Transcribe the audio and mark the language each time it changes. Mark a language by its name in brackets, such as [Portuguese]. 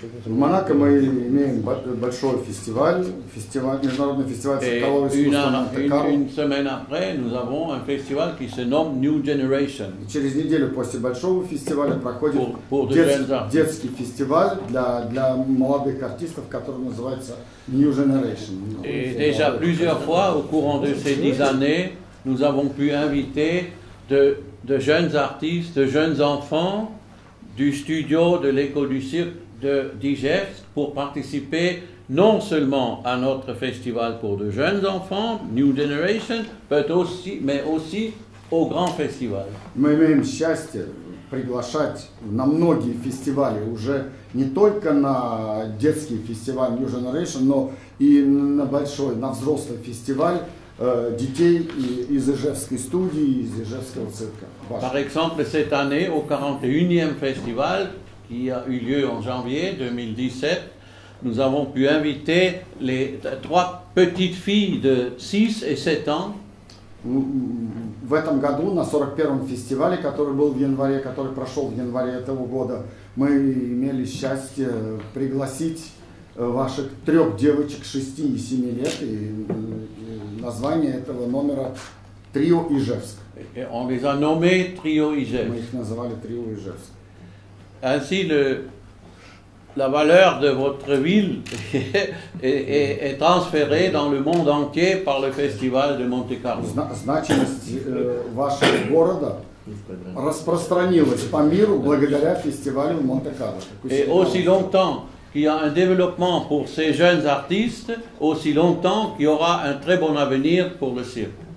[Russian] В Монако мы имеем большой фестиваль, международный фестиваль цирковой искусства Монте Карло. [French] Une semaine après, nous avons un festival qui se nomme New Generation. [Russian] Через неделю после большого фестиваля проходит детский фестиваль для молодых артистов, который называется New Generation. [French] Et déjà plusieurs fois au courant de ces 10 années. Nous avons pu inviter de jeunes artistes, de jeunes enfants du studio de l'école du cirque de Digest pour participer non seulement à notre festival pour de jeunes enfants, New Generation, mais aussi au grand festival. [Russian] Мы имеем счастье приглашать на многие фестивали уже не только на детский фестиваль New Generation, но и на большой, на взрослый фестиваль детей из Ижевской студии, из Ижевского цирка. [French] Par exemple, cette année, au 41e festival qui a eu lieu en janvier 2017, nous avons pu inviter les trois petites filles de 6 et 7 ans. [Russian] В этом году на 41-м фестивале, который был в январе, который прошел в январе этого года, мы имели счастье пригласить ваших трех девочек 6 и 7 лет, и название этого номера «Трио Ижевск». [French] On les a nommé «Трио Ижевск». [Russian] Мы их называли «Трио Ижевск». [French] Ainsi, la valeur de votre ville est transférée dans le monde entier par le festival de Monte-Carlo. [Russian] Значимость вашего города распространилась по миру благодаря фестивалю Монте-Карло. [French] Et aussi longtemps qu'il y a un développement pour ces jeunes artistes, aussi longtemps qu'il y aura un très bon avenir pour le cirque.